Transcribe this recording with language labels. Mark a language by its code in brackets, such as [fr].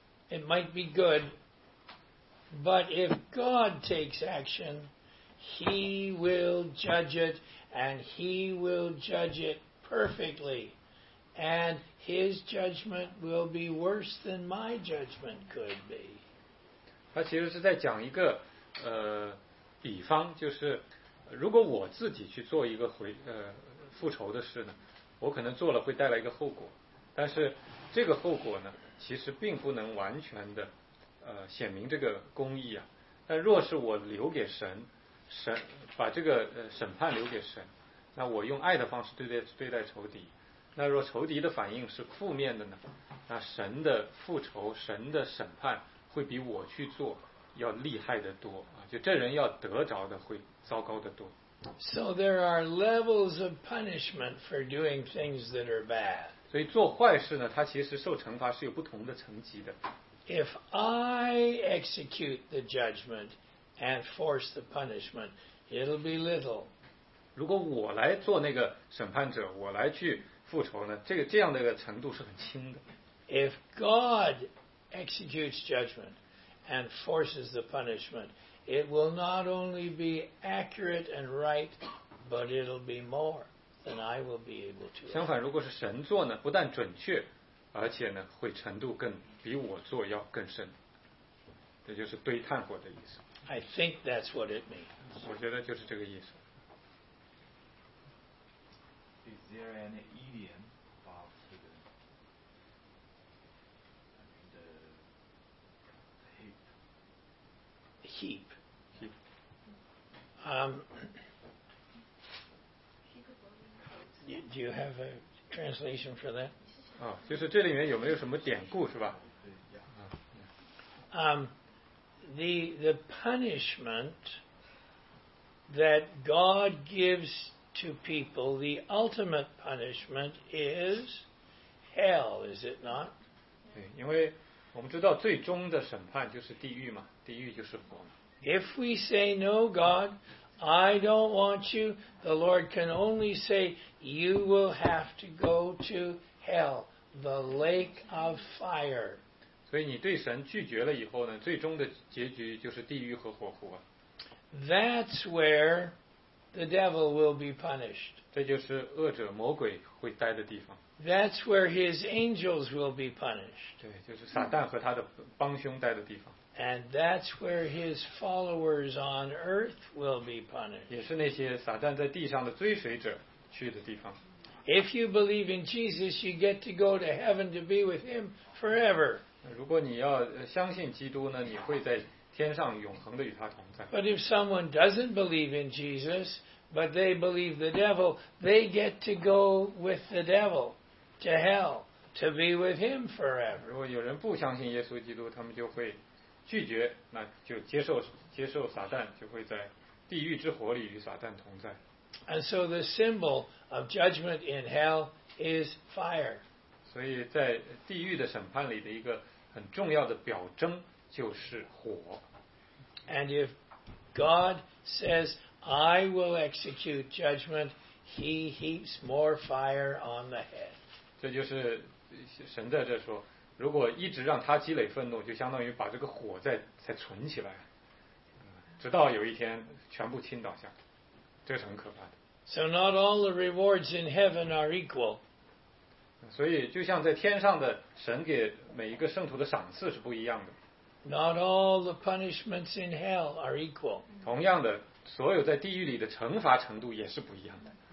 [en] It might be good, but if God takes action, He will judge it. And He will judge it perfectly. And His judgment will be worse than my judgment could be. [zh] 他其实是在讲一个比方，就是如果我自己去做一个复仇的事呢，我可能做了会带来一个后果，但是这个后果呢，其实并不能完全的显明这个公义啊。但若是我留给神。神把这个审判留给神，那我用爱的方式对待仇敌，那若仇敌的反应是负面的呢，那神的复仇，神的审判会比我去做要厉害的多啊，就这人要得着的会糟糕的多。 [en] So there are levels of punishment for doing things that are bad. [zh] 所以做坏事呢，它其实受惩罚是有不同的层级的。 [en] If I execute the judgment. And force the punishment, it'll be little. [zh] 如果我来做那个审判者，我来去复仇呢？这样的一个程度是很轻的。 [en] If God executes judgment and forces the punishment, it will not only be accurate and right, but it'll be more than I will be able to. [zh] 相反，如果是神做呢，不但准确，而且呢，会程度更比我做要更深。这就是堆炭火的意思。 [en] I think that's what it means. [zh] 我觉得就是这个意思。 [en] Is there an idiom about the, I mean the heap? Heap. Heap. Do you have a translation for that? [zh] 哦，就是这里面有没有什么典故是吧？ [en] The punishment that God gives to people, the ultimate punishment is hell, is it not? [zh] 对，因为我们知道最终的审判就是地狱嘛，地狱就是火嘛。 [en] If we say no, God, I don't want you, the Lord can only say you will have to go to hell, the lake of fire. [zh] 所以你对神拒绝了以后呢，最终的结局就是地狱和火湖啊。 [en] That's where the devil will be punished. [zh] 这就是恶者魔鬼会待的地方。 [en] That's where his angels will be punished. [zh] 对，就是撒旦和他的帮凶待的地方。 [en] And that's where his followers on earth will be punished. [zh] 也是那些撒旦在地上的追随者去的地方。 [en] If you believe in Jesus, you get to go to heaven to be with him forever. [zh] 如果你要相信基督呢，你会在天上永恒的与他同在。 [en] But if someone doesn't believe in Jesus, but they believe the devil, they get to go with the devil to hell to be with him forever. [zh] 如果有人不相信耶稣基督，他们就会拒绝，那就接受撒旦，就会在地狱之火里与撒旦同在。 [en] And so the symbol of judgment in hell is fire. [zh] 所以在地狱的审判里的一个很重要的表征就是火。 [en] And if God says, I will execute judgment, he heaps more fire on the head. [zh] 这就是神在这说，如果一直让他积累愤怒，就相当于把这个火再存起来，直到有一天全部倾倒下，这是很可怕的。 [en] So not all the rewards in heaven are equal. [zh] 所以就像在天上的神给每一个圣徒的赏赐是不一样的。 [en] Not all the punishments in hell are equal. [zh] 同样的，所有在地狱里的惩罚程度也是不一样的。